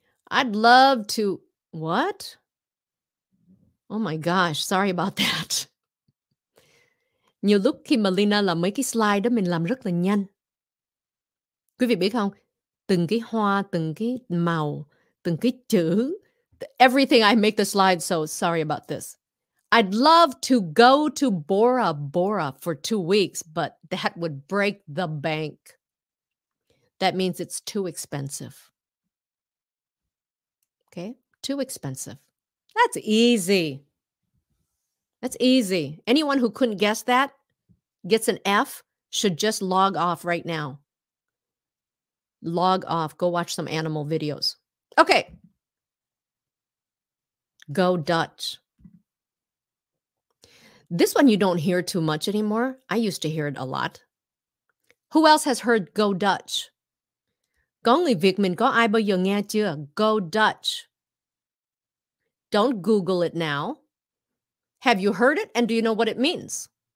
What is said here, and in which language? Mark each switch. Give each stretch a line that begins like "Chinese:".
English: I'd love to, what? Oh my gosh, sorry about that.
Vietnamese: Nhiều lúc khi mà Lina làm mấy cái slide đó, mình làm rất là nhanh. Quý vị biết không? Từng cái hoa, từng cái màu, từng cái chữ.
English: Everything, I make the slide, so sorry about this. I'd love to go to Bora Bora for 2 weeks, but that would break the bank. That means it's too expensive. Okay? Too expensive. That's easy. That's easy. Anyone who couldn't guess that gets an F, should just log off right now. Log off. Go watch some animal videos. Okay. Go Dutch. This one you don't hear too much anymore. I used to hear it a lot. Who else has heard Go Dutch?
Vietnamese: Có người Việt mình có ai bao giờ nghe chưa?
English: Go Dutch. Don't Google it now. Have you heard it and do you know what it means?